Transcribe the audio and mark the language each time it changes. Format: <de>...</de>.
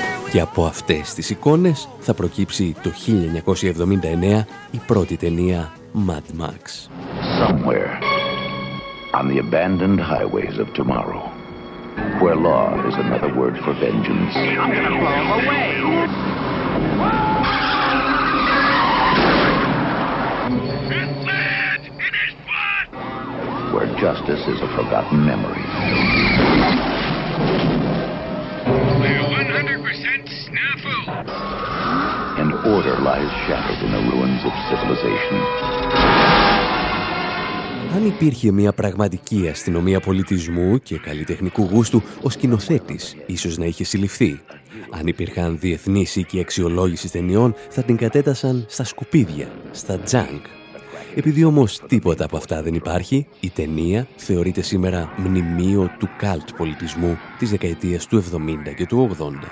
<el>Και από αυτές τις εικόνες θα προκύψει το 1979 η πρώτη ταινία Mad Max.</el> <en>Somewhere on the abandoned highways of tomorrow. Where law is another word for vengeance. I'm gonna blow him away. Where justice is a forgotten memory. We're 100% snafu. And order lies shattered in the ruins of civilization.</en> <el>Αν υπήρχε μια πραγματική αστυνομία πολιτισμού και καλλιτεχνικού γούστου, ο σκηνοθέτης ίσως να είχε συλληφθεί. Αν υπήρχαν διεθνείς οίκοι αξιολόγησης ταινιών, θα την κατέτασαν στα σκουπίδια, στα junk. Επειδή όμως τίποτα από αυτά δεν υπάρχει, η ταινία θεωρείται σήμερα μνημείο του cult πολιτισμού της δεκαετίας του 70 και του 80.</el>